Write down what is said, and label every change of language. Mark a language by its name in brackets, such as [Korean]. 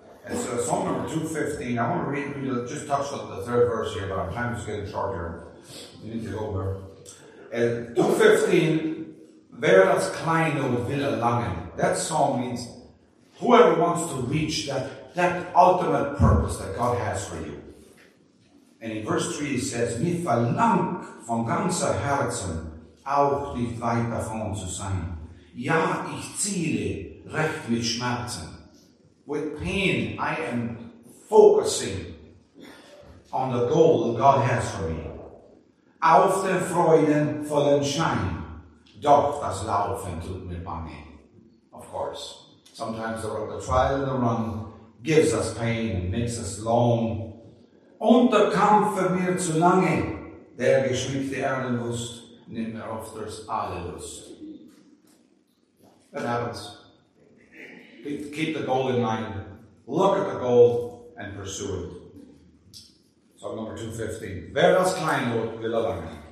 [English] And so Psalm number 215, I want to read, just touch on the third verse here, but our time is getting short here. We need to go over. [German] And 215, "Wer das Kleine will erlangen." [English] That psalm means whoever wants to reach that ultimate purpose that God has for you. And in verse 3 it says, [German] "Mi verlang von ganzer Herzen auch nicht weit davon zu sein. Ja, ich ziele recht mit Schmerzen." [English] With pain, I am focusing on the goal that God has for me. [German] "Auf den Freuden vollen Schein, doch das Laufen tut mir bange." [English] Of course, sometimes the trial and the run gives us pain and makes us long. [German] "Und der Kampf für mir zu lange, der geschmückte Erdenlust nimmt mir oft das alle Lust." [English] That happens. Keep the goal in mind. Look at the goal and pursue it. Psalm number 215. Veras kleino vilalami.